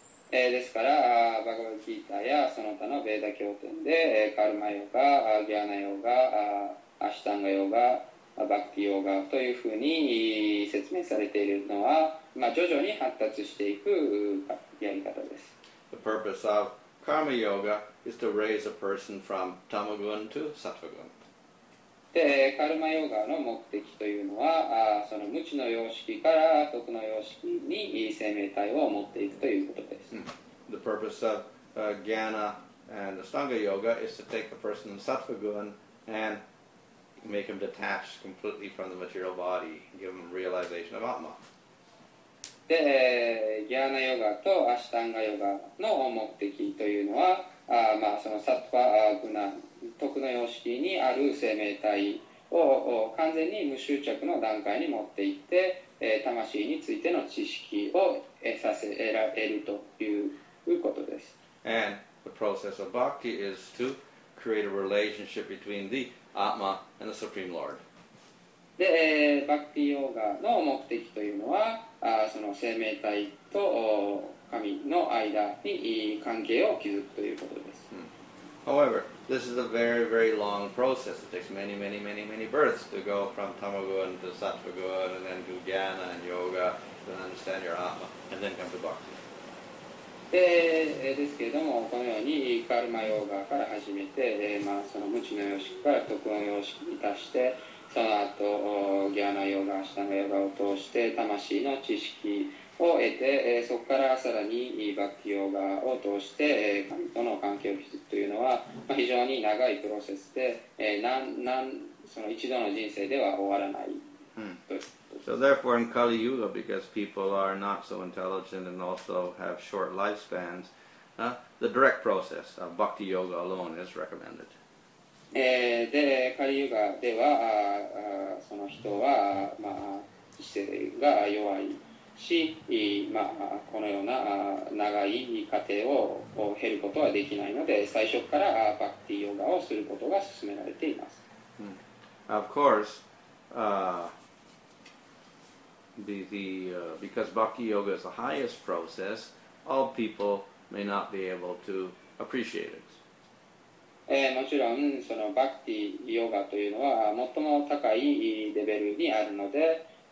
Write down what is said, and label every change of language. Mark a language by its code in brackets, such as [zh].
[ja] ですから、バガバギータやその他のベーダ経典で、カルマヨガ、ジャーナヨガ、アシタンガヨガ、バクティヨガというふうに説明されているのは、まあ、徐々に発達していくやり方です。 [en] The purpose of karma yoga is to raise a person from tamagun to sattvagun. [ja] で、カルマヨガの目的というのは、その無知の様式から徳の様式に生命体を持っていくということです。 [en] The purpose of jnana and astanga yoga is to take a person from sattvagun andMake him detached completely from the material body, give him realization of Atma. [ja] で、ギャーナヨガとアシタンガヨガの目的というのは、まあ、そのサッパグナ、徳の様式にある生命体を完全に無執着の段階に持っていって、魂についての知識を得るということです。 [en] And the process of bhakti is to create a relationship between theAtma and the Supreme Lord. [ja] で、バクティヨガの目的というのは、その生命体と神の間に関係を築くということです。 Hmm. [en] However, this is a very, very long process. It takes many, many, many, many births to go from tamagun to sattvagun and then do jnana and yoga and understand your Atma and then come to bhakti. [ja] ですけれども、このようにカルマヨーガから始めて、まあ、その無知の様式から徳の様式に達して、その後ギャーナヨーガ、シタナヨーガを通して魂の知識を得て、そこからさらにバッキヨーガを通して神との関係を築くというのは、まあ、非常に長いプロセスで、その一度の人生では終わらない、うん、と。 [en] So therefore in Kali Yuga, because people are not so intelligent and also have short lifespans, the direct process of bhakti yoga alone is recommended. [ja] で、Kali Yuga では、その人は、まあ、知性が弱いし、まあ、このような長い過程を経ることはできないので、最初からバクティヨガをすることが勧められています。 [en] Of course, because bhakti yoga is the highest process, all people may not be able to appreciate it. [ja] もちろん、そのバクティヨガというのは最も高いレベルにあるので、